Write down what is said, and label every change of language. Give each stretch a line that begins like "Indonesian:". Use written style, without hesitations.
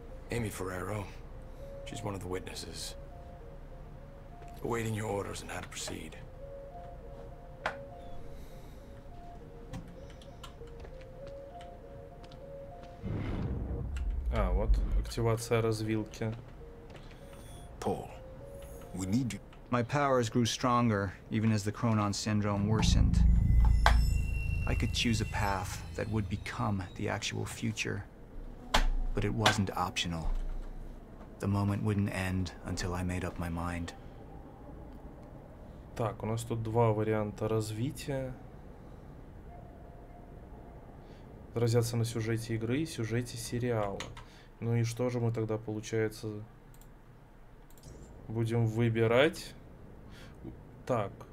English: Amy Ferraro. She's one of the witnesses. awaiting your orders on how to proceed.
Russian: А, вот активация развилки.
English: Paul, we need you. My powers grew stronger even as the Cronon syndrome worsened. I could choose a path that would become the actual future, but it wasn't optional. The moment wouldn't end until I made up my mind.
Russian: Так, у нас тут два варианта развития. Отразятся на сюжете игры и сюжете сериала. Ну и что же мы тогда, получается, будем выбирать? Так.